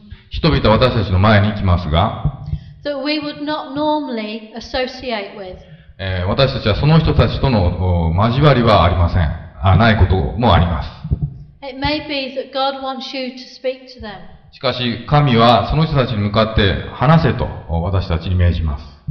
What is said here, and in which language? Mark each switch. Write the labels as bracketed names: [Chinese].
[Japanese] 人々は私たちの前に来ますが [English] that we would not normally associate with. [Japanese] 私たちはその人たちとの交わりはありません。ないこともあります。 [English] It may be that God wants you to speak to them. [Japanese] しかし神はその人たちに向かって話せと私たちに命じます。